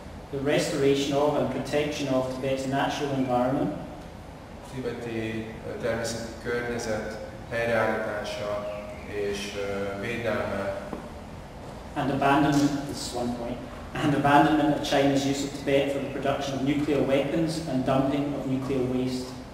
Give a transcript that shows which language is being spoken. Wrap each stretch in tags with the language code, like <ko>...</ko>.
<en>The restoration of and protection of Tibet's natural environment.</en> <hu>Tibeti természeti környezet helyreállítása és védelme.</hu> <en>And abandonment of China's use of Tibet for the production of nuclear weapons and dumping of nuclear waste.</en>